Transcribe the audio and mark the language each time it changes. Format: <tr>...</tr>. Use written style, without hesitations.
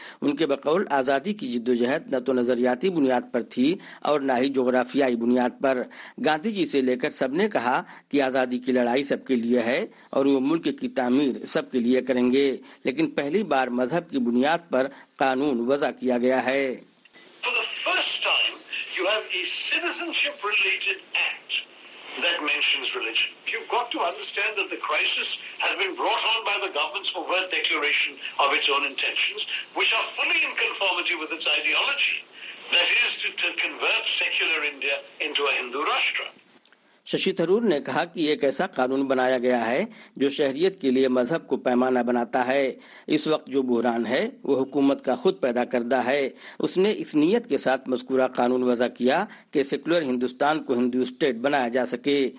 <ur>ان کے بقول آزادی کی جدوجہد نہ تو نظریاتی بنیاد پر تھی اور نہ ہی جغرافیائی بنیاد پر. گاندھی جی سے لے کر سب نے کہا کہ آزادی کی لڑائی سب کے لیے ہے اور وہ ملک کی تعمیر سب کے لیے کریں گے, لیکن پہلی بار مذہب کی بنیاد پر قانون وضع کیا گیا ہے.</ur> <en>For the first time you have a citizenship related act that mentions religion. You've got to understand that the crisis has been brought on by the government's overt declaration of its own intentions, which are fully in conformity with its ideology, that is to convert secular India into a Hindu Rashtra.</en> <ur>Shashi Tharoor نے کہا کہ ایک ایسا قانون بنایا گیا ہے جو شہریت کے لیے مذہب کو پیمانہ بناتا ہے. اس وقت جو بحران ہے وہ حکومت کا خود پیدا کردہ ہے. اس نے اس نیت کے ساتھ مذکورہ قانون وضع کیا کہ سیکولر ہندوستان کو ہندو اسٹیٹ بنایا جا سکے.</ur>